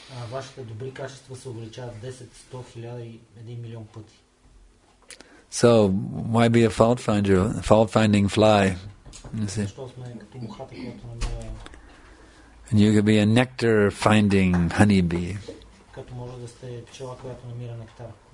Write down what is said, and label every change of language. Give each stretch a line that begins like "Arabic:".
Bulgarian: Вашите добри качества се увеличават 10, 100, 1000 и 1 милион пъти.
English: So, why be a fault finder, a fault finding fly? And you could be a nectar finding honeybee.
Bulgarian: Като може да сте пчела, която намира нектар.